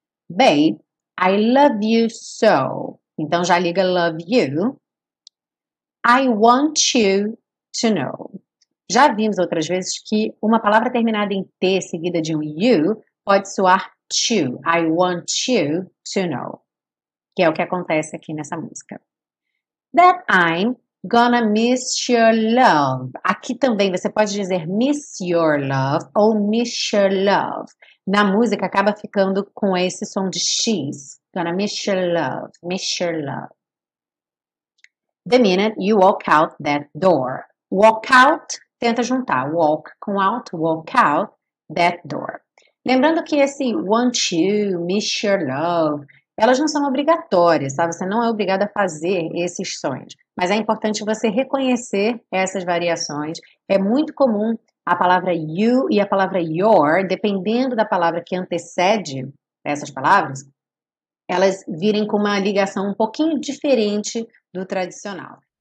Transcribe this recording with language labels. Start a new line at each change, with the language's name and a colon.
English: Babe, I love you so.
Portuguese: Então já liga
English: love you. I want you to know.
Portuguese: Já vimos outras vezes que uma palavra terminada em T seguida de um you pode soar to.
English: I want you to know.
Portuguese: Que é o que acontece aqui nessa música.
English: That I'm gonna miss your love.
Portuguese: Aqui também você pode dizer
English: miss your love
Portuguese: ou miss your love. Na música acaba ficando com esse som de X.
English: Gonna miss your love, miss your love. The minute you walk out that door. Walk out,
Portuguese: tenta juntar
English: walk com out, walk out that door.
Portuguese: Lembrando que esse want you, miss your love, elas não são obrigatórias, tá? Você não é obrigado a fazer esses sons. Mas é importante você reconhecer essas variações. É muito comum a palavra you e a palavra your, dependendo da palavra que antecede essas palavras, elas virem com uma ligação um pouquinho diferente do tradicional.